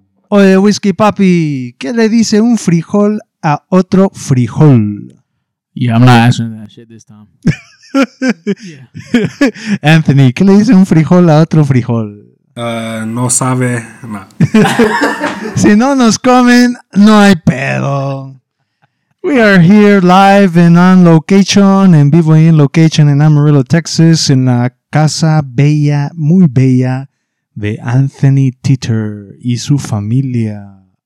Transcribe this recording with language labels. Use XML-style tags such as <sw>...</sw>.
<es>Oye, Whiskey Papi, ¿qué le dice un frijol a otro frijol?</es> <en>Yeah, I'm not answering that shit this time. Yeah.</en> <es>Anthony, ¿qué le dice un frijol a otro frijol? No sabe, no. Si no nos comen, no hay pedo.</es> <en>We are here live and on location,</en> <es>en vivo y en location en Amarillo, Texas, en la casa bella, muy bella, de Anthony Teeter y su familia.</es>